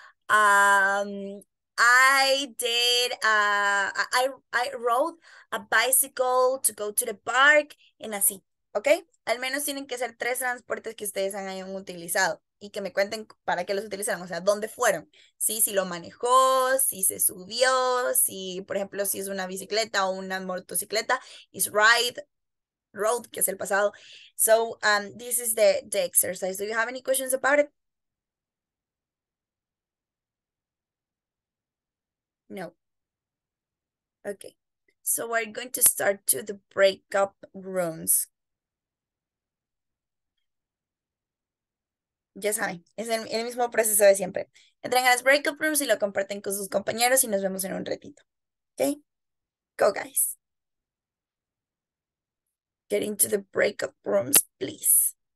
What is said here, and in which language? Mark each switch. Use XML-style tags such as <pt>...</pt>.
<en>I rode a bicycle to go to the park and</en> <es>así,</es> <en>okay?</en> <es>Al menos tienen que ser tres transportes que ustedes hayan utilizado y que me cuenten para qué los utilizaron, o sea, dónde fueron, ¿sí? Si lo manejó, si se subió, si, por ejemplo, si es una bicicleta o una motocicleta,</es> <en>is ride, rode,</en> <es>que es el pasado.</es> <en>So, this is the exercise. Do you have any questions about it? No. Okay. So we're going to start to the breakup rooms.</en> <es>Ya saben, es el mismo proceso de siempre. Entren a las breakup rooms y lo comparten con sus compañeros y nos vemos en un ratito.</es> <en>Okay? Go, guys. Get into the breakup rooms, please.</en>